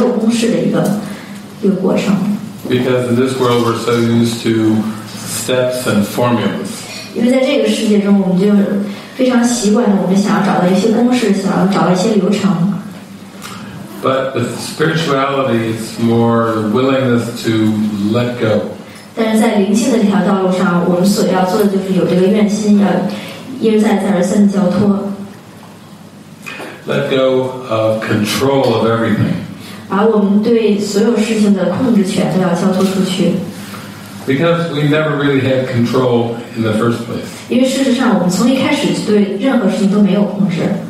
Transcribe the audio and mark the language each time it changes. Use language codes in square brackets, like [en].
[zh] 因为你自己实际上是永远不会知道就是去如何去做这件事情，这是一个没有公式的一个过程。 [en] Because in this world we're so used to steps and formulas. [zh] 因为在这个世界中我们就非常习惯的，我们想要找到一些公式，想要找到一些流程。 [en] But with spirituality, it's more willingness to let go. [zh] 但是在灵性的这条道路上，我们所要做的就是有这个愿心，要一而再、再而三的交托。 [en] Let go of control of everything. [zh] 把我们对所有事情的控制权都要交托出去。 [en] Because we never really had control in the first place. [zh] 因为事实上，我们从一开始对任何事情都没有控制。